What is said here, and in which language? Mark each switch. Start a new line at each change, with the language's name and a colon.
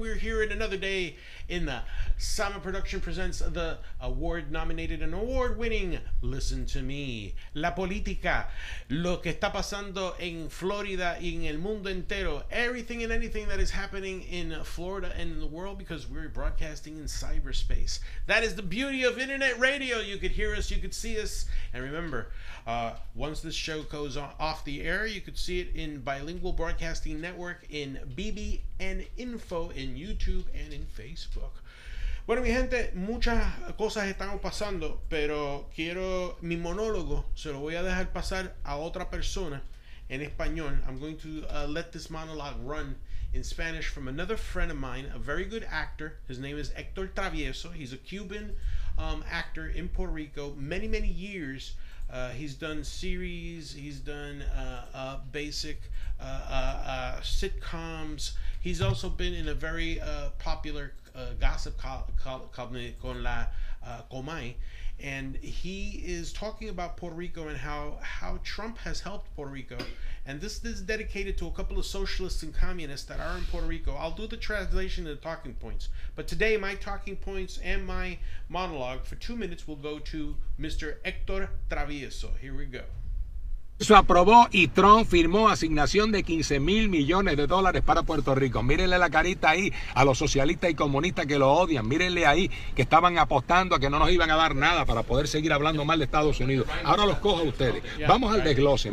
English: We're here in another day in the Sama Production presents the award-nominated and award-winning Listen to Me.
Spanish: La política, lo que está pasando en Florida y en el mundo entero.
English: Everything and anything that is happening in Florida and in the world, because we're broadcasting in cyberspace. That is the beauty of internet radio. You could hear us, you could see us. And remember, once this show goes off the air, you could see it in Bilingual Broadcasting Network, in BB and Info, in YouTube, and in Facebook.
Spanish: Bueno, mi gente, muchas cosas están pasando, pero quiero mi monólogo, se lo voy a dejar pasar a otra persona en español.
English: I'm going to let this monologue run in Spanish from another friend of mine, a very good actor. His name is Héctor Travieso. He's a Cuban actor in Puerto Rico, many, many years. He's done series, he's done basic sitcoms. He's also been in a very popular gossip column
Spanish: con la Comay,
English: and he is talking about Puerto Rico and how Trump has helped Puerto Rico. And this is dedicated to a couple of socialists and communists that are in Puerto Rico. I'll do the translation and the talking points. But today, my talking points and my monologue for 2 minutes will go to Mr. Héctor Travieso. Here we go.
Spanish: Eso aprobó y Trump firmó asignación de 15 mil millones de dólares para Puerto Rico. Mírenle la carita ahí a los socialistas y comunistas que lo odian. Mírenle ahí que estaban apostando a que no nos iban a dar nada para poder seguir hablando mal de Estados Unidos. Ahora los cojo a ustedes. Vamos al desglose.